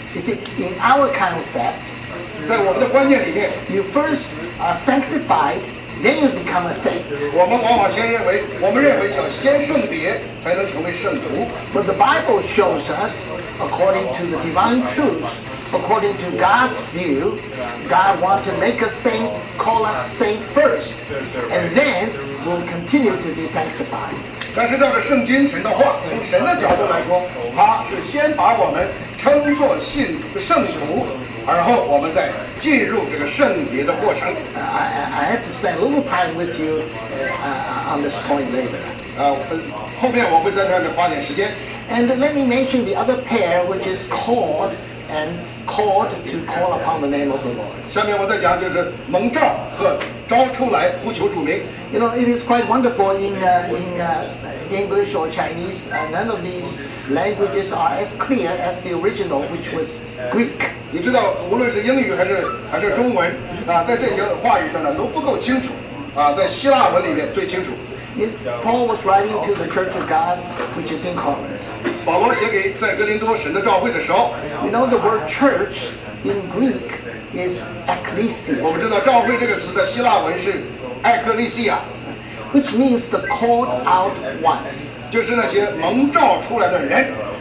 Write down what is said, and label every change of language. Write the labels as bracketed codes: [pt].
[en] You see, in our concept, [zh] 在我们的观念里面 [en] ，You first are sanctified, then you become a saint. [zh] 我们往往先认为，我们认为要先圣别才能成为圣徒。 [en] But the Bible shows us, according to the divine truth, according to God's view, God wants to make us saint, call us saint first, and then we'll continue to be sanctified. [zh] 但是照着圣经神的话，从神的角度来说，他是先把我们称作信圣徒。然后我们再进入这个圣别的过程。 [en] I have to spend a little time with you on this point later. [zh] 后面我会在那里花点时间。 [en] And let me mention the other pair, which is called and called to call upon the name of the Lord. [zh] 下面我再讲就是蒙召和召出来呼求主名。 [en] You know, it is quite wonderful in English or Chinese. None of these languages are as clear as the original, which was Greek. [zh] 你知道，无论是英语还是中文啊，在这些话语上呢都不够清楚啊，在希腊文里面最清楚。 [en] Paul was writing to the Church of God, which is in Corinth. [zh] 保罗写给在哥林多神的召会的时候。 [en] You know the word church in Greek is ecclesia. [zh] 我们知道召会这个词在希腊文是。 [en] Ecclesia, which means the called out ones. [zh] 就是那些蒙召出来的人。